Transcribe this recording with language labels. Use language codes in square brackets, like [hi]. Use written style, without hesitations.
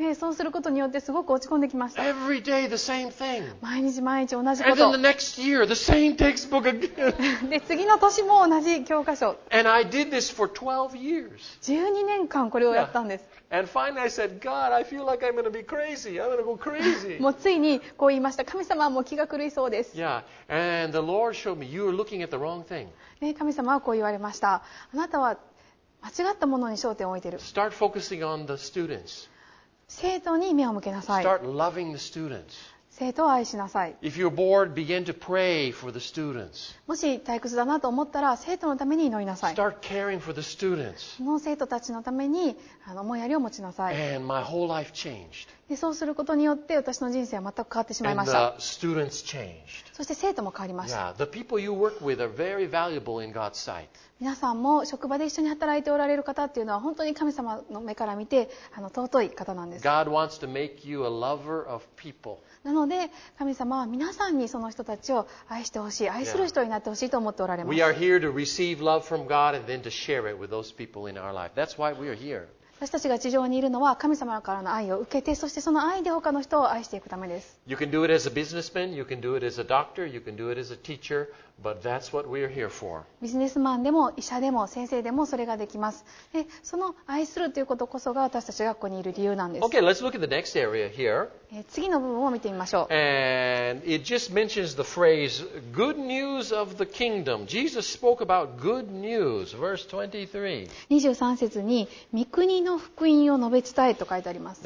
[ja] そうすることによってすごく落ち込んできました。 [en] Every day the same thing. [ja] 毎日毎日同じこと。 [en] And then the next year, the same textbook again. [ja] で、次の年も同じ教科書。 [en] And I did this for 12 years. [ja] 12年間これをやったんです。 [en] Yeah. And finally I said, God, I feel like I'm going to be crazy. I'm going to go crazy. [ja] もうついにこう言いました。神様はもう気が狂いそうです。 [en] Yeah. And the Lord showed me, you are looking at the wrong thing. [ja] 神様はこう言われました。あなたは間違ったものに焦点を置いている。 [en] Start focusing on the students. [ja] 生徒に目を向けなさい。 [en] Start loving the students. [ja] 生徒を愛しなさい。 [en] If you're bored, begin to pray for the students. [ja] もし退屈だなと思ったら生徒のために祈りなさい。 [en] Start caring for the students. [ja] その生徒たちのために思いやりを持ちなさい。 [en] And my whole life changed. [ja] でそうすることによって私の人生は全く変わってしまいました。 [en] And the students changed. [ja] そして生徒も変わりました。 [en] Yeah, the people you work with are very valuable in God's sight. [ja] 皆さんも職場で一緒に働いておられる方っていうのは本当に神様の目から見て尊い方なんです。 [en] God wants to make you a lover of people. [ja] なので神様は皆さんにその人たちを愛してほしい、愛する人になってほしいと思っておられます。 [en] We are here to receive love from God and then to share it with those people in our life. That's why we are here. [ja] 私たちが地上にいるのは神様からの愛を受けて、そしてその愛で他の人を愛していくためです。 [en] You can do it as a businessman, you can do it as a doctor, you can do it as a teacher, but that's what we are here for. [ja] ビジネスマンでも医者でも先生でもそれができます。で、その愛するということこそが私たちがここにいる理由なんです。 [en] Okay, let's look at the next area here. [ja] 次の部分を見てみましょう。 [en] And it just mentions the phrase, good news of the kingdom. Jesus spoke about good news, verse 23. [ja] 23節に、御国の福音を述べ伝えと書いてあります。